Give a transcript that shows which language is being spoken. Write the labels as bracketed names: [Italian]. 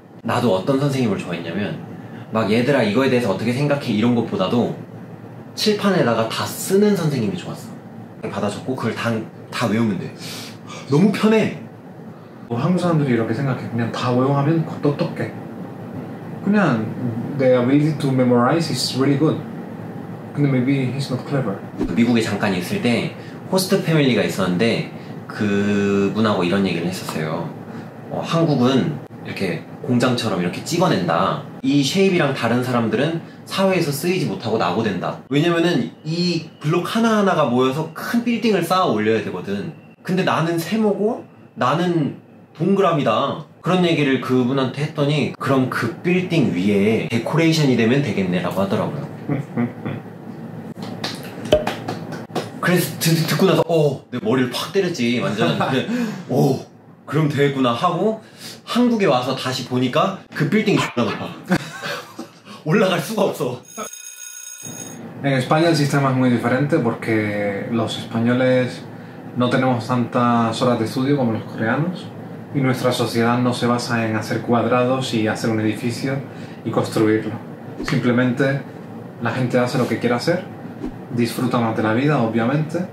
[Korean] 나도 어떤 선생님을 좋아했냐면, 막 얘들아 이거에 대해서 어떻게 생각해 이런 것보다도 칠판에다가 다 쓰는 선생님이 좋았어. 받아줬고 그걸 다 외우면 돼. 너무 편해. 한국 사람들이 이렇게 생각해. 그냥 다 외워하면 똑똑해. [English] 그냥 they are easy to memorize is really good. 근데 maybe he's not clever. [Korean] 미국에 잠깐 있을 때 호스트 패밀리가 있었는데 그분하고 이런 얘기를 했었어요. 한국은 이렇게 공장처럼 이렇게 찍어낸다. 이 쉐입이랑 다른 사람들은 사회에서 쓰이지 못하고 낙오된다. 왜냐면은 이 블록 하나하나가 모여서 큰 빌딩을 쌓아 올려야 되거든. 근데 나는 세모고 나는 동그라미다. 그런 얘기를 그분한테 했더니 그럼 그 빌딩 위에 데코레이션이 되면 되겠네라고 하더라고요. 그래서 듣고 나서 내 머리를 팍 때렸지 완전. 오 그럼 되겠구나 하고 한국에 와서 다시 보니까 그 빌딩이 X나 높아. 올라갈 수가 없어. [Spanish] En España el sistema es muy diferente porque los españoles no tenemos tantas horas de estudio como los coreanos y nuestra sociedad no se basa en hacer cuadrados y hacer un edificio y construirlo. Simplemente la gente hace lo que quiere hacer. Disfruta más de la vida, obviamente.